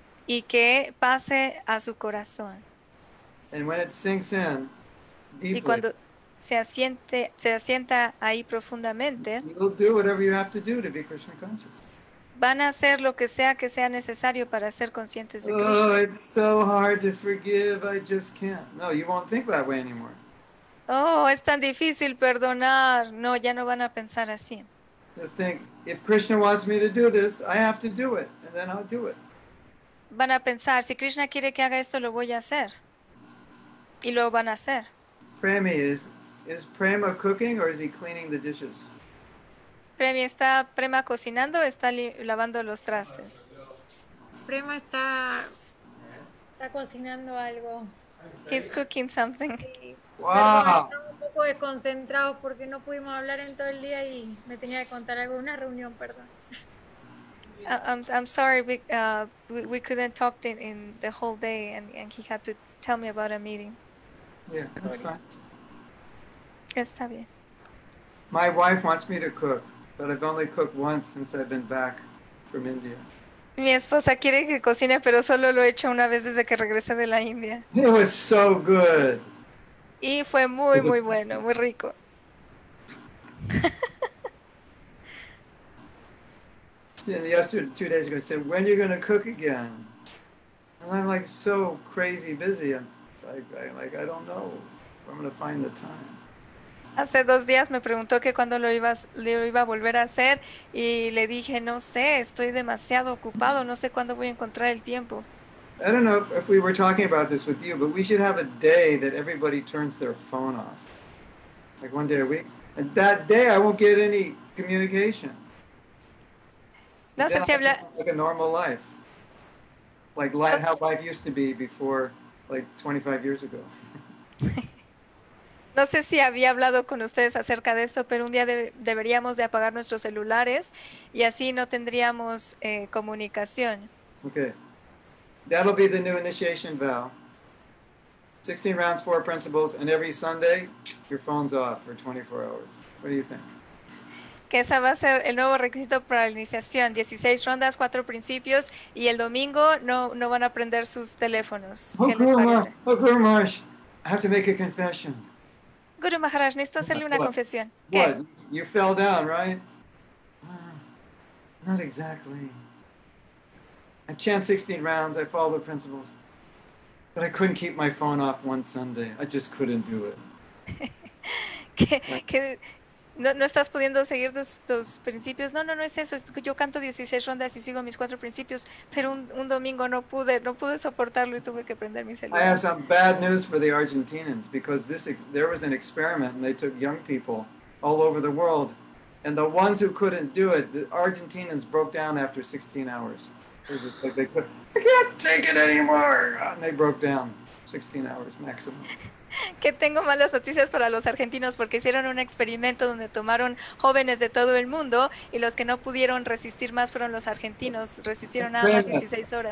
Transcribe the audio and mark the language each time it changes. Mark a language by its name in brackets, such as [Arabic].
[Spanish] Y que pase a su corazón. [English] And when it sinks in, deeply. [Spanish] Y cuando se asienta ahí profundamente, [English] you'll do whatever you have to do to be Krishna conscious. [Spanish] Van a hacer lo que sea necesario para ser conscientes de Krishna. [English] Oh, it's so hard to forgive, I just can't. No, you won't think that way anymore. [Spanish] Oh, es tan difícil perdonar. No, ya no van a pensar así. [English] To think, if Krishna wants me to do this, I have to do it, and then I'll do it. [Spanish] Van a pensar, si Krishna quiere que haga esto, lo voy a hacer. Y lo van a hacer. [English] Premi, is Prema cooking or is he cleaning the dishes? [Spanish] Premi, ¿está Prema cocinando o está lavando los trastes? Prema está cocinando algo. [English] He's cooking something. [Spanish] Wow. Estaba un poco desconcentrado porque no pudimos hablar en todo el día y me tenía que contar algo, una reunión, perdón. I'm sorry, we couldn't talk in the whole day and he had to tell me about a meeting. [English] Yeah, that's fine. [Spanish] Está bien. [English] My wife wants me to cook, but I've only cooked once since I've been back from India. [Spanish] Mi esposa quiere que cocine, pero solo lo he hecho una vez desde que regresé de la India. [English] It was so good. [Spanish] Y fue muy, muy bueno, muy rico. [English] And yesterday, 2 days ago, she said, when are you going to cook again? And I'm like so crazy busy. I'm like, I don't know if I'm going to find the time. [Spanish] Hace 2 días me preguntó que cuándo lo iba a volver a hacer y le dije, no sé, estoy demasiado ocupado, no sé cuándo voy a encontrar el tiempo. [English] I don't know if we were talking about this with you, but we should have a day that everybody turns their phone off. Like one day a week. And that day I won't get any communication. [Spanish] No sé si habla... [English] Like a normal life. Like how life used to be before, like 25 years ago. [Spanish] No sé si había hablado con ustedes acerca de esto, pero un día deberíamos de apagar nuestros celulares y así no tendríamos comunicación. [English] Okay. That'll be the new initiation vow. 16 rounds, 4 principles, and every Sunday, your phone's off for 24 hours. What do you think? [Spanish] Que esa va a ser el nuevo requisito para la iniciación. 16 rondas, 4 principios, y el domingo no van a prender sus teléfonos. ¿Qué les parece? [English] Oh, Guru Maharaj, I have to make a confession. [Spanish] Guru Maharaj, necesito hacerle una confesión. ¿Qué? [English] What? You fell down, right? Not exactly. I chant 16 rounds, I follow the principles. But I couldn't keep my phone off one Sunday. I just couldn't do it. [Spanish] ¿Qué? ¿No estás pudiendo seguir tus principios? No es eso. Yo canto 16 rondas y sigo mis 4 principios, pero un domingo no pude soportarlo y tuve que prender mi celular. [English] I have some bad news for the Argentinians because there was an experiment and they took young people all over the world and the ones who couldn't do it, the Argentinians broke down after 16 hours. They just like they could, I can't take it anymore! And they broke down 16 hours maximum. [Spanish] Que tengo malas noticias para los argentinos porque hicieron un experimento donde tomaron jóvenes de todo el mundo y los que no pudieron resistir más fueron los argentinos, resistieron nada más 16 horas.